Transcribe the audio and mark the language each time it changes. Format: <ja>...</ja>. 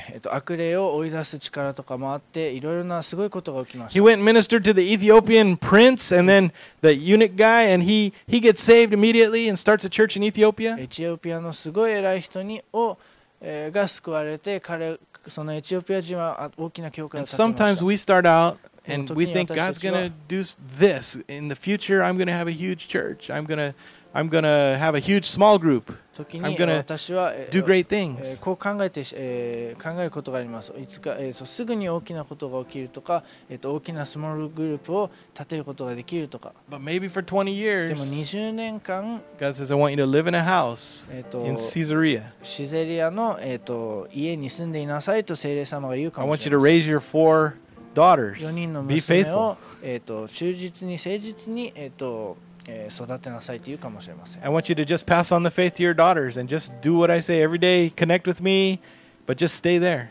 <ja>悪霊を追い出す力とかもあっていろいろなすごいことが起きました。</ja> <en>He went ministered to the Ethiopian prince and then the eunuch guy and he gets saved immediately and starts a church in Ethiopia.</en> <ja>エチオピアのすごい偉い人にをが救われて彼そのエチオピア人は大きな教会を建てました。</ja> <en>Sometimes we start out and we think God's going to do this in the future. I'm going to have a huge church. I'm going to have a huge small group. I'm going to do great things.</en> <ja>こう考えて考えることがあります。いつかすぐに大きなことが起きるとか大きなスモールグループを建てることができるとか。</ja> <en>But maybe for 20 years.</en> <ja>でも20年間</ja> <en>God says I want you to live in a house in Caesarea.</en> <ja>シゼリアの家に住んでいなさいと聖霊様が言うかもしれません。</ja> <en>I want you to raise your four daughters. Be faithful.</en> <ja>4人の娘を忠実に誠実に育てなさいと言うかもしれません。</ja> <en>I want you to just pass on the faith to your daughters and just do what I say every day. Connect with me, but just stay there.</en>